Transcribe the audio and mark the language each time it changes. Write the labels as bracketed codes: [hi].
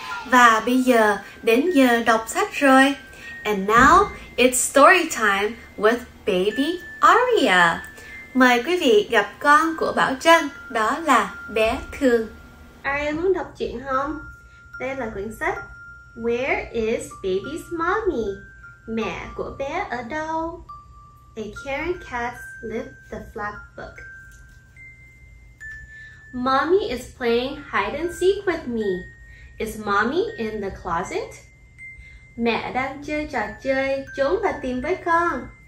[vi] Và bây giờ đến giờ đọc sách rồi. [en] And now it's story time with baby Aria. [vi] Mời quý vị gặp con của Bảo Trân, đó là bé Thương. Aria muốn đọc chuyện không? Đây là quyển sách [en] Where is baby's mommy? [vi] Mẹ của bé ở đâu? [en] A Caring Cat's Live the Flap Book. Mommy is playing hide and seek with me. Is mommy in the closet? [vi] Mẹ đang chơi trò chơi trốn và tìm với con.